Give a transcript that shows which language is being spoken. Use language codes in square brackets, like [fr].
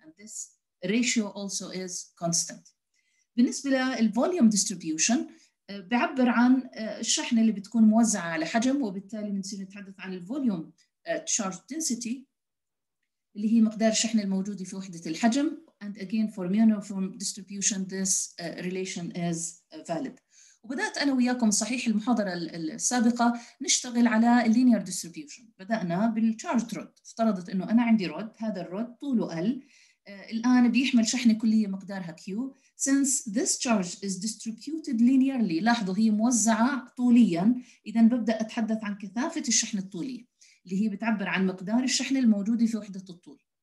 [en] And this ratio also is constant. [ar] بالنسبة للvolume distribution بعبر عن الشحنة اللي بتكون موزعة على حجم، وبالتالي بنصير نتحدث عن الvolume charge density اللي هي مقدار الشحنة الموجودة في وحدة الحجم. [en] And again for uniform distribution this relation is valid. [ar] وبدأت أنا وياكم صحيح المحاضرة السابقة نشتغل على linear distribution، بدأنا بالcharged rod، افترضت أنه أنا عندي rod، هذا الrod طوله L، الآن بيحمل شحنة كلية مقدارها Q. [en] Since this charge is distributed linearly، [ar] لاحظوا هي موزعة طوليا، إذا ببدأ أتحدث عن كثافة الشحنة الطولية اللي هي بتعبر عن مقدار الشحنة الموجودة في وحدة الطول.